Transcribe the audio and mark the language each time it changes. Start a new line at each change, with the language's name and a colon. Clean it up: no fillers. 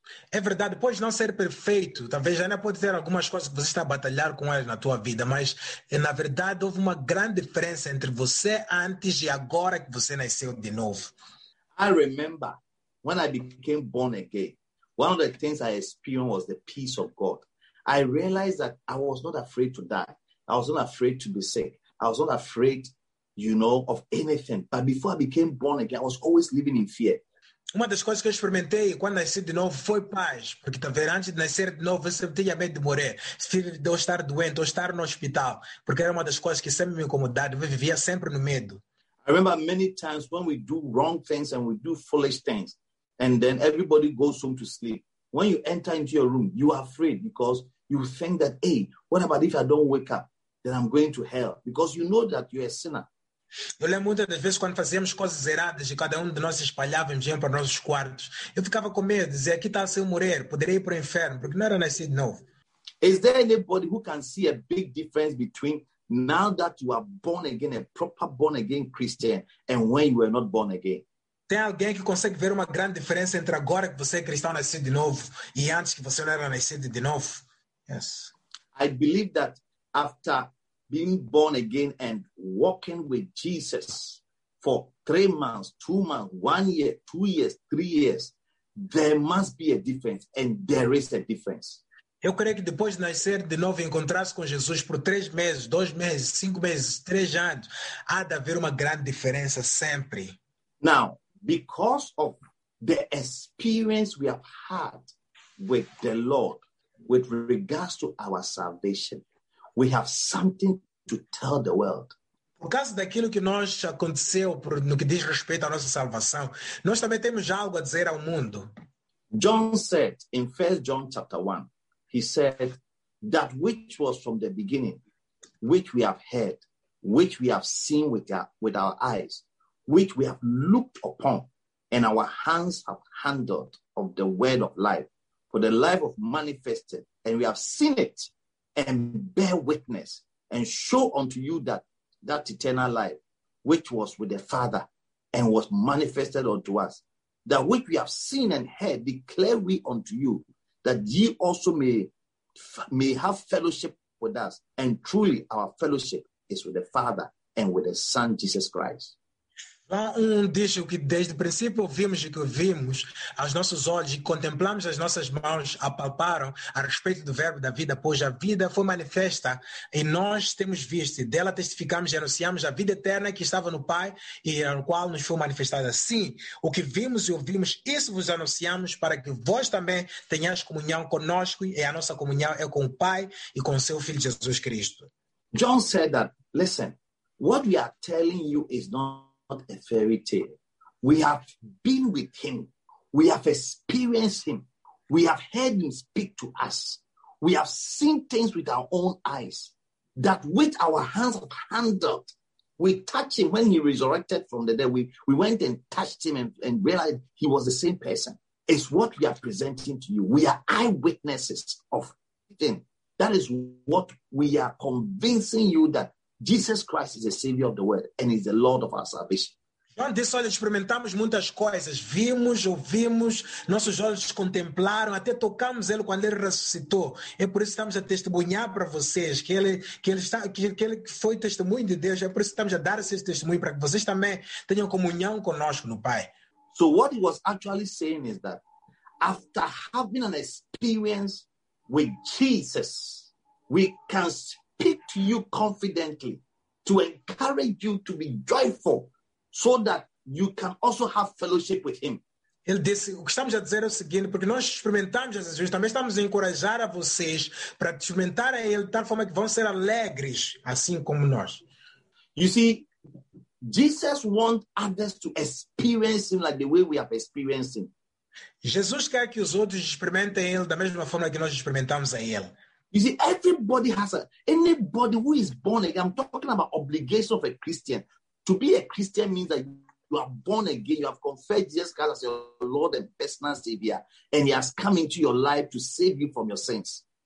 Portuguese: É verdade, pois não ser perfeito, talvez ainda pode ter algumas coisas que você está a batalhar com elas na tua vida, mas na verdade houve uma grande diferença entre você antes e agora que você nasceu de novo.
English: I remember when I became born again, one of the things I experienced was the peace of God. I realized that I was not afraid to die. I was not afraid to be sick. I was not afraid, you know, of anything. But before I became born again, I was always living in fear.
Portuguese: Uma das coisas que eu experimentei quando nasci de novo foi paz. Porque talvez antes de nascer de novo, eu sempre tinha medo de morrer. Se eu estar doente ou estar no hospital. Porque era uma das coisas que sempre me incomodava. Eu vivia sempre no medo.
English: I remember many times when we do wrong things and we do foolish things. And then everybody goes home to sleep. When you enter into your room, you are afraid because you think that, hey, what about if I don't wake up? Then I'm going to hell. Because you know that you're a sinner.
Portuguese: Eu lembro muitas das vezes quando fazíamos coisas erradas e cada um de nós espalhávamos e para os nossos quartos. Eu ficava com medo, dizia, aqui está se eu morrer, poderia ir para o inferno, porque não era nascido novo.
English: Is there anybody who can see a big difference between now that you are born again, a proper born again Christian, and when you were not born again?
Portuguese: Tem alguém que consegue ver uma grande diferença entre agora que você é cristão nascido de novo e antes que você não era nascido de novo?
English: Yes. I believe that after being born again and walking with Jesus for 3 months, 2 months, 1 year, 2 years, 3 years, there must be a difference, and there is a difference.
Portuguese: Eu creio que depois de nascer de novo e encontrar-se com Jesus por 3 meses, 2 meses, 5 meses, 3 anos, há de haver uma grande diferença sempre.
English: Now, because of the experience we have had with the Lord, with regards to our salvation, we have something to tell the world.
Portuguese: Por causa daquilo que nós aconteceu no que diz respeito à nossa salvação, nós também temos algo a dizer ao mundo.
English: John said in 1 John chapter 1, he said that which was from the beginning, which we have heard, which we have seen with our eyes, which we have looked upon, and our hands have handled of the word of life, for the life of manifested, and we have seen it. And bear witness and show unto you that eternal life which was with the Father and was manifested unto us, that which we have seen and heard declare we unto you, that ye also may have fellowship with us, and truly our fellowship is with the Father and with the Son Jesus Christ.
Portuguese: Lá um diz o que desde o princípio ouvimos e que ouvimos, aos nossos olhos e contemplamos, as nossas mãos apalparam a respeito do verbo da vida, pois a vida foi manifesta e nós temos visto, e dela testificamos e anunciamos a vida eterna que estava no Pai e no qual nos foi manifestada. Sim, o que vimos e ouvimos, isso vos anunciamos para que vós também tenhais comunhão conosco, e a nossa comunhão é com o Pai e com o seu Filho Jesus Cristo.
English: John said that, listen, what we are telling you is not a fairy tale. We have been with him. We have experienced him. We have heard him speak to us. We have seen things with our own eyes that with our hands have handled. We touched him when he resurrected from the dead. We went and touched him and realized he was the same person. It's what we are presenting to you. We are eyewitnesses of him. That is what we are convincing you that Jesus Christ is the Savior of the world and is the Lord of our salvation.
Portuguese: João disse, olha, experimentamos muitas coisas. Vimos, ouvimos, nossos olhos contemplaram, até tocamos ele quando ele ressuscitou. É por isso que estamos a testemunhar para vocês, que ele foi testemunho de Deus. É por isso que estamos a dar esse testemunho, para que vocês também tenham comunhão conosco no Pai.
English: So what he was actually saying is that after having an experience with Jesus, we can speak to you confidently to encourage you to be joyful, so that you can also have fellowship with him.
Portuguese: Ele disse, o que estamos a dizer é o seguinte, porque nós experimentamos Jesus, também estamos a encorajar a vocês para experimentar a ele de tal forma que vão ser alegres, assim como nós.
English: You see, Jesus wants others to experience him like the way we have experienced him.
Portuguese: Jesus quer que os outros experimentem ele da mesma forma que nós experimentamos a ele.
English: You see, everybody has a, anybody who is born again, I'm talking about obligation of a Christian. To be a Christian means that you are born again, you have confessed Jesus Christ as your Lord and personal Savior, and he has come into your life to save you from your sins.